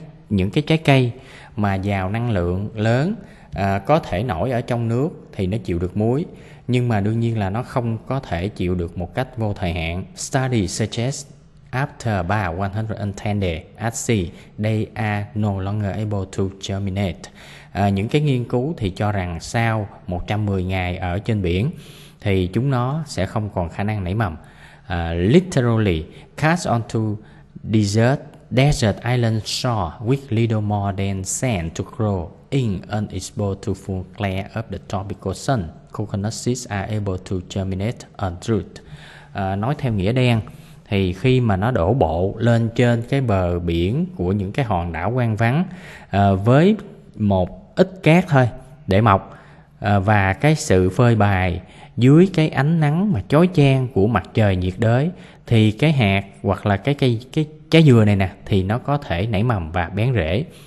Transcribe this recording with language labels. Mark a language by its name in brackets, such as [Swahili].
[Vietnamese] Những cái trái cây mà giàu năng lượng lớn có thể nổi ở trong nước thì nó chịu được muối, nhưng mà đương nhiên là nó không có thể chịu được một cách vô thời hạn. [English] Study suggests after about 110 days at sea, they are no longer able to germinate. [Vietnamese] Những cái nghiên cứu thì cho rằng sau 110 ngày ở trên biển thì chúng nó sẽ không còn khả năng nảy mầm. [English] Literally cast onto desert island shore with little more than sand to grow in and exposed to full glare of the tropical sun, coconut seeds are able to germinate and root. [Vietnamese] Nói theo nghĩa đen thì khi mà nó đổ bộ lên trên cái bờ biển của những cái hòn đảo quang vắng với một ít cát thôi để mọc, và cái sự phơi bày dưới cái ánh nắng mà chói chang của mặt trời nhiệt đới, thì cái hạt hoặc là cái cây, cái trái dừa này nè, thì nó có thể nảy mầm và bén rễ.